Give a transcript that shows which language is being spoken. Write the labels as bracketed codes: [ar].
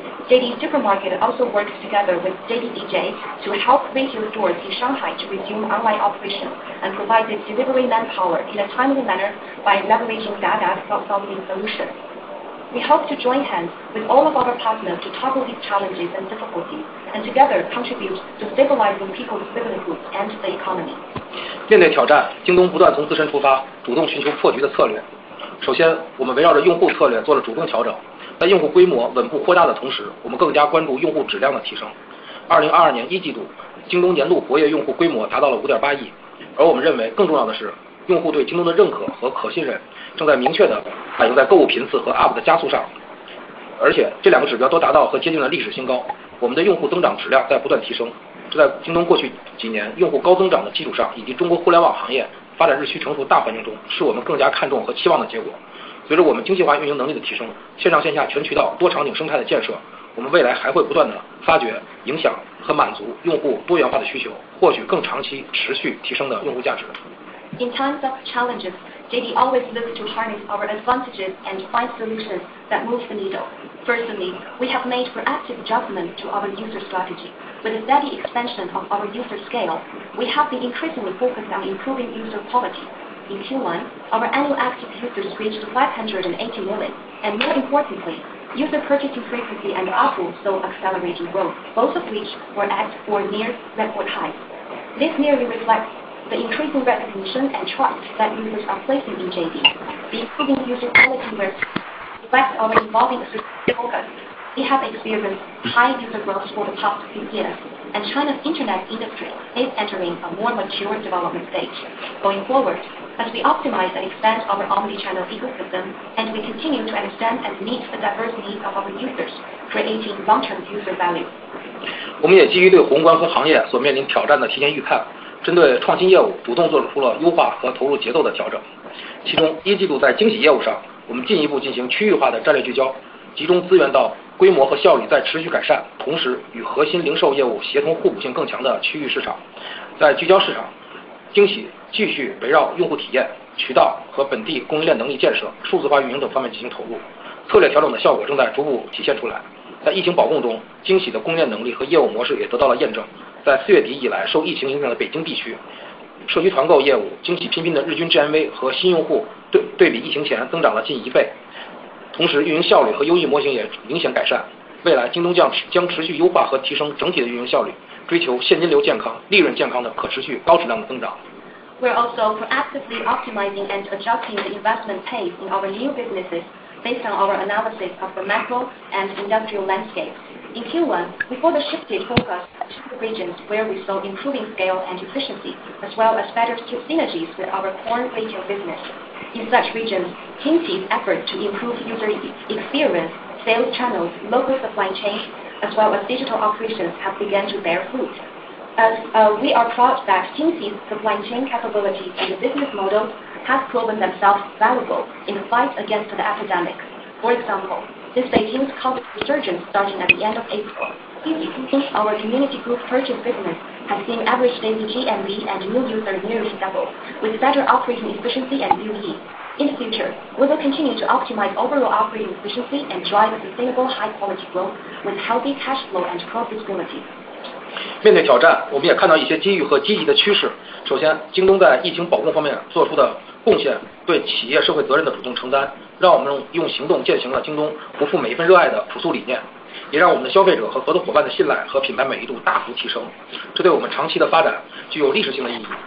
[en] JD Supermarket also works together with JDDJ to help retail stores in Shanghai to resume online operations and provide the delivery manpower in a timely manner by leveraging data crowdsourcing solutions. We hope to join hands with all of our partners to tackle these challenges and difficulties and together contribute to stabilizing people's livelihoods and the economy. [zh] 面对挑战，京东不断从自身出发，主动寻求破局的策略。首先，我们围绕着用户策略做了主动调整，在用户规模稳步扩大的同时，我们更加关注用户质量的提升。 2022年一季度，京东年度活跃用户规模达到了5.8亿，而我们认为更重要的是，用户对京东的认可和可信任正在明确的反映在购物频次和 UP 的加速上，而且这两个指标都达到和接近了历史新高。我们的用户增长质量在不断提升，这在京东过去几年用户高增长的基础上，以及中国互联网行业发展日趋成熟大环境中，是我们更加看重和期望的结果。随着我们精细化运营能力的提升，线上线下全渠道多场景生态的建设，我们未来还会不断地发掘、影响和满足用户多元化的需求，获取更长期持续提升的用户价值。 [en] In times of challenges, JD always looks to harness our advantages and find solutions that move the needle. Firstly, we have made proactive adjustments to our user strategy. With a steady expansion of our user scale, we have been increasingly focused on improving user quality. In Q1, our annual active users reached 580 million, and more importantly, user purchasing frequency and ARPU saw accelerating growth, both of which were at or near record highs. This nearly reflects the increasing recognition and trust that users are placing in JD. The improving user quality reflects our evolving strategic focus. We have experienced high user growth for the past few years, and China's internet industry is entering a more mature development stage. Going forward, as we optimize and expand our omnichannel ecosystem, and we continue to understand and meet the diverse needs of our users, creating long-term user value. [zh] 我们也基于对宏观和行业所面临挑战的提前预判，针对创新业务主动做出了优化和投入节奏的调整。其中一季度在惊喜业务上，我们进一步进行区域化的战略聚焦，集中资源到规模和效率在持续改善，同时与核心零售业务协同互补性更强的区域市场。在聚焦市场，惊喜继续围绕用户体验、渠道和本地供应链能力建设、数字化运营等方面进行投入，策略调整的效果正在逐步体现出来。在疫情保控中，惊喜的供应链能力和业务模式也得到了验证。在四月底以来，受疫情影响的北京地区，社区团购业务惊喜拼拼的日均 GMV 和新用户对比疫情前增长了近一倍，同时运营效率和优异模型也明显改善。未来京东将持续优化和提升整体的运营效率，追求现金流健康、利润健康的可持续高质量的增长。 We're also proactively optimizing and adjusting the investment pace in our new businesses based on our analysis of the macro and industrial landscape. In Q1, we further shifted focus to the regions where we saw improving scale and efficiency, as well as better synergies with our core retail business. In such regions, Kingsy's effort to improve user experience, sales channels, local supply chain, as well as digital operations have begun to bear fruit. We are proud that Kingsy's supply chain capabilities and the business model have proven themselves valuable in the fight against the epidemic. For example, since Beijing's COVID resurgence starting at the end of April, since our community group purchase business has seen average daily GMV and new users nearly double, with better operating efficiency and UE. In the future, we will continue to optimize overall operating efficiency and drive sustainable high-quality growth with healthy cash flow and profitability. 面对挑战，我们也看到一些机遇和积极的趋势。首先，京东在疫情保控方面做出的贡献，对企业社会责任的主动承担，让我们用行动践行了京东不负每一份热爱的朴素理念，也让我们的消费者和合作伙伴的信赖和品牌满意度大幅提升，这对我们长期的发展具有历史性的意义。